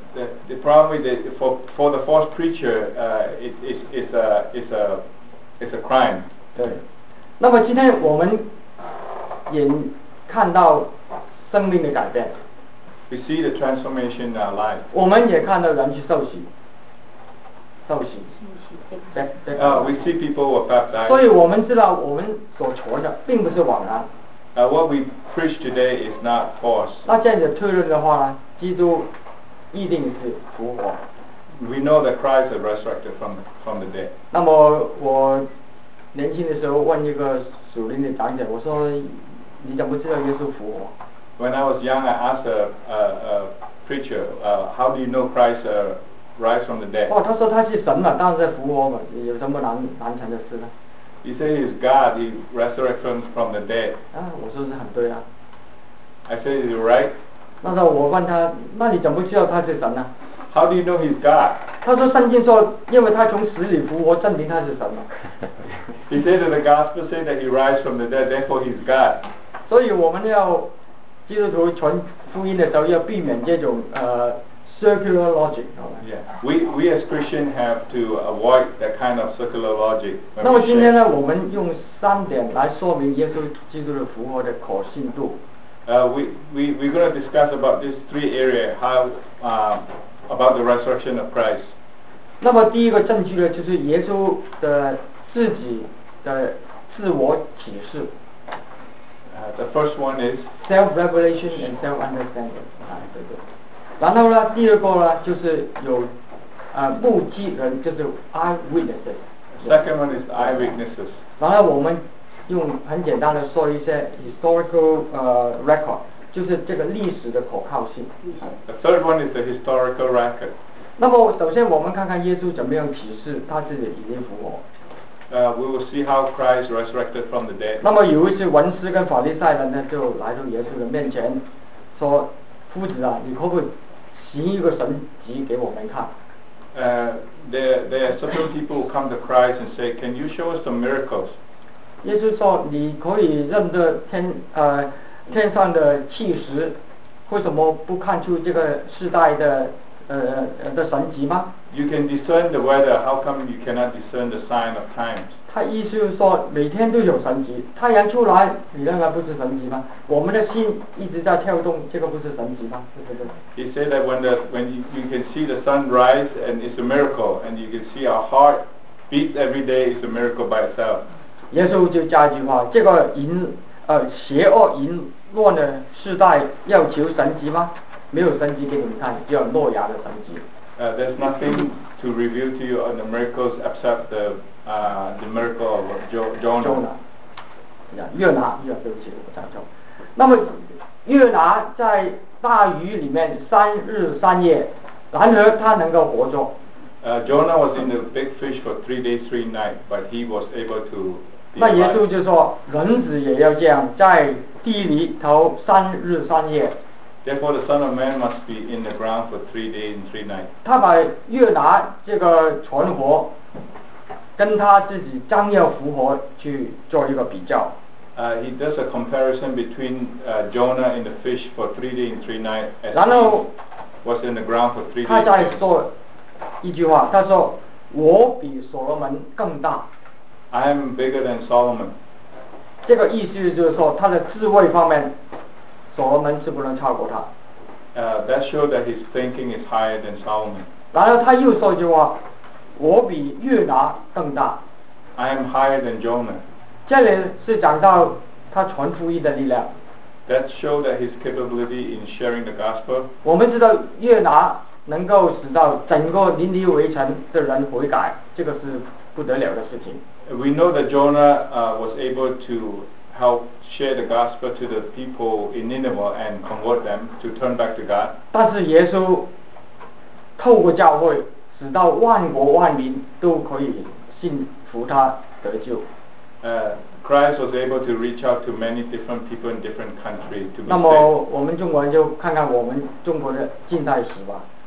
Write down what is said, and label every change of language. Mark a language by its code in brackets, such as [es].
[en] The problem with it, for the false preacher, it's a crime. [zh] 对。那么今天我们也看到生命的改变。 [en] We see the transformation in our life. [zh] 我们也看到人去受洗。受洗。 [en] We see people who are baptized. [zh] 所以我们知道我们所传的并不是枉然。 [en] What we preach today is not false. [zh] 那这样子推论的话呢，基督一定是复活。 [en] We know that Christ is resurrected from the dead. [zh] 那么我年轻的时候问一个属灵的长者，我说你怎么知道耶稣复活？ [en] When I was young, I asked a preacher, how do you know Christ rise from the dead? [zh] 哦，他说他是神嘛，当然是复活嘛，有什么难成的事呢？ [en] He said he's God, he resurrected from the dead. [zh] 啊，我说是很对啊。 [en] I said you're right. [zh] 那时候我问他，那你怎么知道他是神呢？ [en] How do you know he's God? [zh] 他说圣经说，因为他从死里复活，证明他是神嘛。 [en] He said that the gospel says that he rise from the dead, therefore he's God. [zh] 所以我们要基督徒传福音的时候要避免这种 [en] circular logic. Yeah. We as Christians have to avoid that kind of circular logic. [zh] 那么今天呢，我们用三点来说明耶稣基督的复活的可信度。 [en] We're going to discuss about these three areas, how about the resurrection of Christ. [zh] 那么第一个证据呢，就是耶稣的自己的自我启示。 [en] The first one is self-revelation and self-understanding. [zh] 对对。然后呢，第二个呢，就是有目击人，就是 eyewitnesses。 [en] Second one is eyewitnesses。 [zh] 然后我们用很简单的说一些 [en] historical record， [zh] 就是这个历史的可靠性。 [en] The third one is the historical record。 [zh] 那么首先我们看看耶稣怎么样启示他自己已经复活。 [en] We will see how Christ resurrected from the dead。 [zh] 那么有一些文士跟法利赛人呢，就来到耶稣的面前说。夫子啊，你可不可以行一个神迹给我们看？ [en] There are certain people who come to Christ and say, "Can you show us some miracles?" [zh] 耶稣说，你可以认得天上的气势，为什么不看出这个世代的神迹吗 [en] ？You can discern the weather. How come you cannot discern the sign of times? [zh] 他意思是说，每天都有神迹，太阳出来，你认为不是神迹吗？我们的心一直在跳动，这个不是神迹吗？对对对。 [en] He said that when you can see the sun rise and it's a miracle, and you can see our heart beat every day, it's a miracle by itself. [zh] 耶稣就加一句话，这个邪恶淫乱的世代要求神迹吗？没有神迹给你们看，只有诺亚的神迹。 [en] There's nothing to reveal to you on the miracles except the miracle of Jonah. [zh] Jonah, 对不起，我讲错。那么约拿在大鱼里面三日三夜，然而他能够活着。 [en] Jonah was in the big fish for 3 days, 3 nights, but he was able to. [zh] 那耶稣就说，人子也要这样，在地里头三日三夜。 [en] Therefore, the Son of Man must be in the ground for 3 days and 3 nights. [zh] 他把约拿这个存活，跟他自己将要复活去做一个比较。 [en] He does a comparison between Jonah in the fish for 3 days and 3 nights. [zh] 然后 [en] was in the ground for 3 days. [zh] 他再说一句话，他说：“我比所罗门更大。” [en] I am bigger than Solomon. [zh] 这个意思就是说，他的智慧方面所罗门是不能超过他。 [en] That shows that his thinking is higher than Solomon. [zh] 然后他又说一句话，我比约拿更大。 [en] I am higher than Jonah. [zh] 这里是讲到他传福音的力量。 [en] That shows that his capability in sharing the gospel. [zh] 我们知道约拿能够使到整个尼尼微城的人悔改，这个是不得了的事情。 [en] We know that Jonah was able to help share the gospel to the people in Nineveh and convert them to turn back to God. [zh] 但是耶稣透过教会，使到万国万民都可以信服他得救。 [en] Christ was able to reach out to many different people in different countries to be saved. [zh] 那么我们中国人就看看我们中国的近代史吧。